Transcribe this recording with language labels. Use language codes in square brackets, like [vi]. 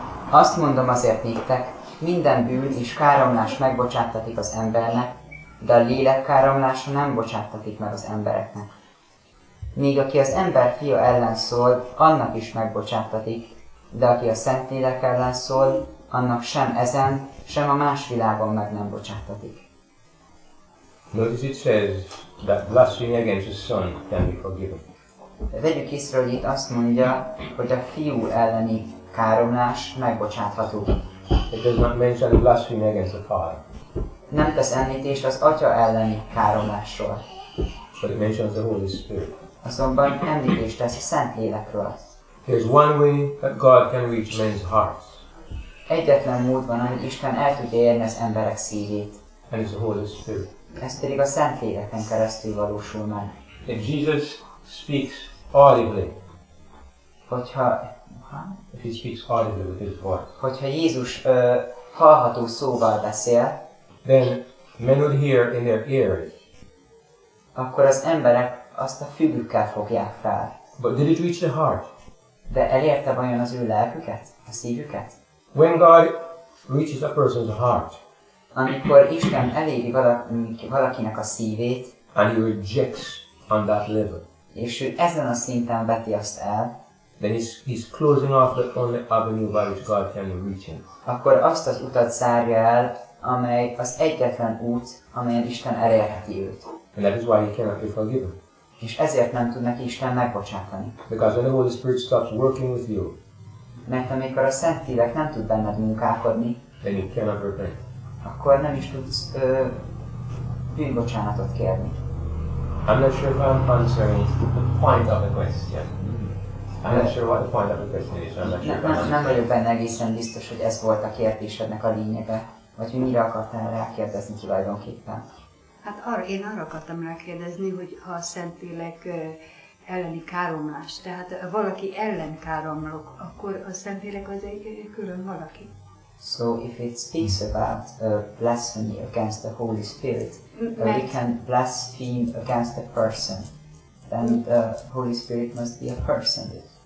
[hu] Azt mondom azért néktek, minden bűn és káromlás megbocsáttatik az embernek, de a lélek káromlása nem bocsáttatik meg az embereknek. Míg aki az ember fia ellen szól, annak is megbocsáttatik, de aki a Szentlélek ellen szól, annak sem ezen, sem a más világon meg nem bocsáttatik. [en] Notice it says that blasphemy against the Son can be forgiven. [hu] Vegyük észre, hogy itt azt mondja, hogy a fiú elleni káromlás megbocsátható. [en] It does not mention blasphemy against the Father. [hu] Nem tesz említést az Atya elleni káromlásról. [en] But it mentions the Holy Spirit. [hu] Azonban említést tesz a Szentlélekről. [en] There's one way that God can reach men's hearts. [hu] Egyetlen mód van, amit Isten el tudja érni az emberek szívét. [en] And it's the Holy Spirit. [hu] Ez pedig a Szentléleken keresztül valósul meg. [en] If Jesus speaks audibly. If he speaks audibly with his voice. [hu] Hogyha Jézus hallható szóval beszél, [en] then men would hear in their ears. [hu] Akkor az emberek azt a fülükkel fogják fel. [en] But did it reach the heart? [hu] De elérte vajon az ő lelküket, a szívüket? [en] When God reaches a person's heart, [hu] amikor Isten eléri valakinek a szívét, [en] and he rejects on that level, [hu] és ő ezen a szinten veti azt el, [en] then he's closing off the only avenue by which God can reach him. [hu] Akkor azt az utat zárja el, amely az egyetlen út, amelyen Isten elérheti őt. [en] And that is why he cannot be forgiven. [hu] És ezért nem tud neki Isten megbocsátani. [en] Because when the Holy Spirit stops working with you, [hu] mert amikor a Szentlélek nem tud benned munkálkodni, [en] then you cannot repent. [hu] Akkor nem is tudsz bűnbocsánatot kérni. [en] I'm not sure if I'm answering the point of the question. I'm not sure what the point of the question is. [hu] Nem vagyok benne egészen biztos, hogy ez volt a kérdésednek a lényege, vagy hogy mire akartál rákérdezni tulajdonképpen. Hát én arra akartam rákérdezni, hogy ha a Szentlélek elleni káromlás, tehát valaki ellen káromlok, akkor a Szentlélek az egy külön valaki. [en] So if it speaks about blasphemy against the Holy Spirit, we can blaspheme against a person, then the Holy Spirit must be a person.